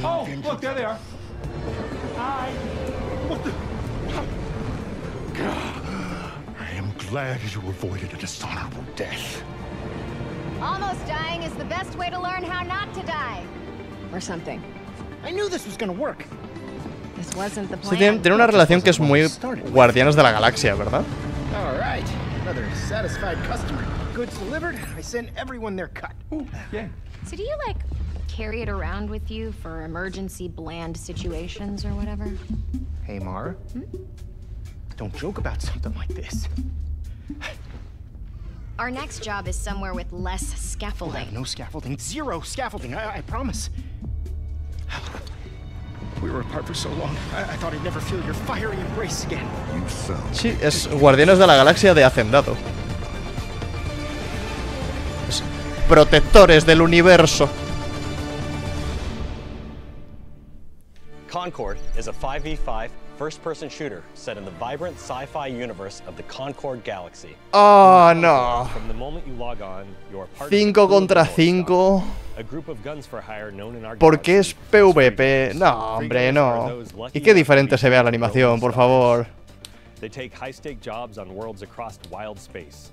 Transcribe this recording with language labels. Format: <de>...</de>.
<en>vengeance. Oh, look, there they are. Hi. What the? God. Glad you avoided a dishonorable death. Almost dying is the best way to learn how not to die. Or something. I knew this was gonna work. This wasn't the plan.</en> <es>Sí, tiene una relación que es muy Guardianes de la Galaxia, ¿verdad?</es> <en>All right. Another satisfied customer. Goods delivered. I send everyone their cut. Ooh, yeah. So do you like carry it around with you for emergency bland situations or whatever? Hey, Mara. Hmm? Don't joke about something like this. Our next job is somewhere with less scaffolding. We'll have no scaffolding. Zero scaffolding. I promise. We were apart for so long. I thought I'd never feel your fiery embrace again. You felt.</en> <es>Sí, es Guardianes de la Galaxia de Hacendado. Es protectores del universo.</es> <en>Concord is a 5v5 first person shooter set in the vibrant sci-fi universe of the Concord Galaxy. Oh no. From the moment you log on, you are part</en> <es>5 contra 5.</es> <en>A group of guns for hire known in our.</en> <es>¿Por qué es PvP? No, hombre, no. ¿Y qué diferente se ve a la animación, por favor?</es> <en>They take high stake jobs on worlds across wild space.</en>